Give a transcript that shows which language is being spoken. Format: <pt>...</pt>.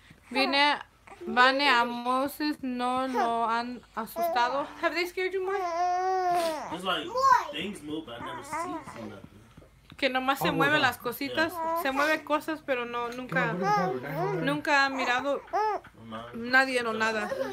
<es>Vine, Vane, a Moses, no lo han asustado.</es> <en>Have they scared you, Moy? It's like, things move, but I've never seen nothing.</en> <es>Que nomás se mueve las cositas. Yeah. Se mueve cosas, pero no, nunca, nunca ha mirado nadie o nada.</es>